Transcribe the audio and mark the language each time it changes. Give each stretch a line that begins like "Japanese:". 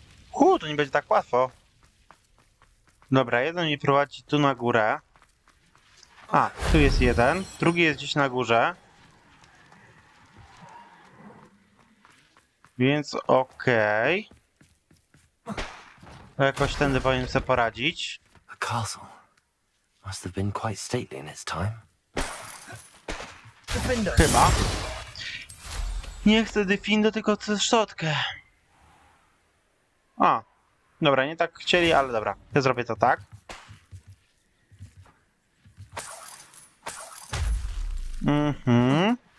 Polish: Hu, to nie będzie tak łatwo. Dobra, jeden mi prowadzi tu na górę. A, tu jest jeden. Drugi jest gdzieś na górze. Więc okej. Okay. Jakoś tędy powinien sobie poradzić.
English: Must have been quite stately in its time. Defender.
Polish: Chyba. Nie chcę Defindo, tylko chcę szczotkę. A, dobra, nie tak chcieli, ale dobra. Ja zrobię to tak. Mhm.